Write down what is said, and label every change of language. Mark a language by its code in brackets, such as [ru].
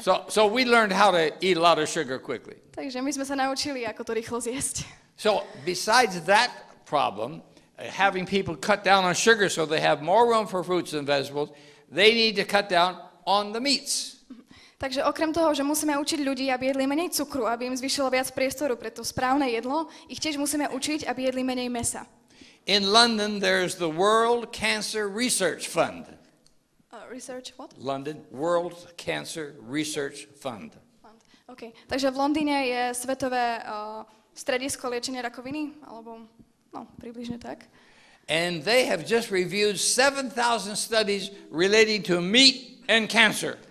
[en] So we learned how to eat a lot of sugar quickly. [sk] Takže my sme sa naučili, ako to rýchlo zjesť. [en] So besides that problem, having people cut down on sugar so they have more room for fruits and vegetables, they need to cut down on the meats. [sk] Takže okrem toho, že musíme učiť ľudí, aby jedli menej cukru, aby im zvyšilo viac priestoru pre to správne jedlo, ich tiež musíme učiť, aby jedli menej mäsa. [en] In London there's the World Cancer Research Fund. Research what? London World Cancer Research Fund. Okay. [sk] Takže v Londýne je svetové stredisko liečenia rakoviny alebo no, približne tak. [en] And they have just reviewed 7000 studies relating to meat and cancer.